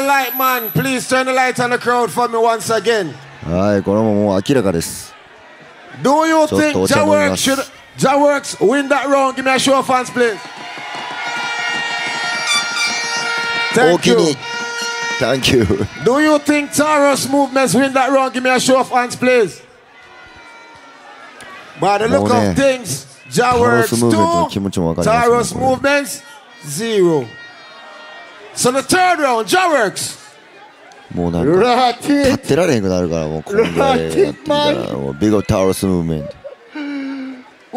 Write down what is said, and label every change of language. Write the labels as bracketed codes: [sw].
[en] Lightman, please turn the light on the crowd for me once again. [ja] Hi, これももう明らかです。 [en] Do you think Jahworks should Jahworks win that round? Give me a show of hands, please. Thank you. Thank you. Do you think Taurus movements win that round? Give me a show of hands, please. By the look of things, Jahworks 2, Taurus movements 0. So the third round, Jahworks. [ja] もうなんか立ってられへんくなるからもうこれでやってみたらもうビッグタウロスムーブメント